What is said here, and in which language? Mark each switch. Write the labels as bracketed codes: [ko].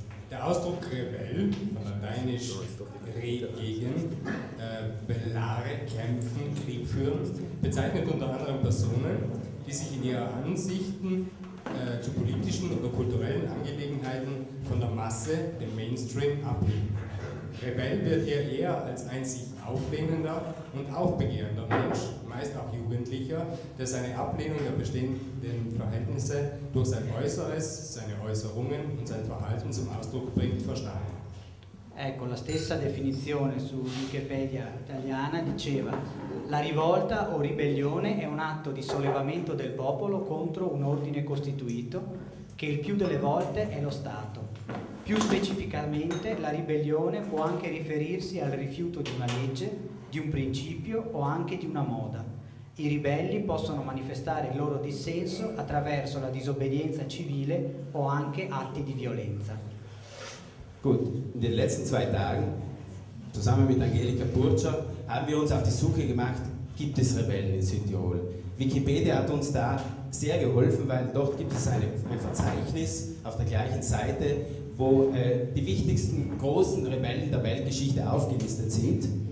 [de] Der Ausdruck Rebell, von lateinisch Regegen, belare, kämpfen, Krieg führen, bezeichnet unter anderem Personen, die sich in ihrer Ansichten zu politischen oder kulturellen Angelegenheiten von der Masse, dem Mainstream, abheben. Rebell wird hier eher als ein sich auflehnender und aufbegehrender Mensch, meist auch Jugendlicher, der seine Ablehnung der bestehenden Verhältnisse durch sein Äußeres, seine Äußerungen und sein Verhalten zum Ausdruck bringt, verstanden. [it] Ecco, la stessa definizione su Wikipedia italiana diceva: la rivolta o ribellione è un atto di sollevamento del popolo contro un ordine costituito, che il più delle volte è lo Stato. Più specificamente, la ribellione può anche riferirsi al rifiuto di una legge, di un principio o anche di una moda. I ribelli possono manifestare il loro dissenso attraverso la disobbedienza civile o anche atti di violenza. [de] Gut, in den letzten zwei Tagen, zusammen mit Angelika Burcher, haben wir uns auf die Suche gemacht, gibt es Rebellen in Südtirol? Wikipedia hat uns da sehr geholfen, weil dort gibt es ein Verzeichnis auf der gleichen Seite, wo die wichtigsten großen Rebellen der Weltgeschichte aufgelistet sind.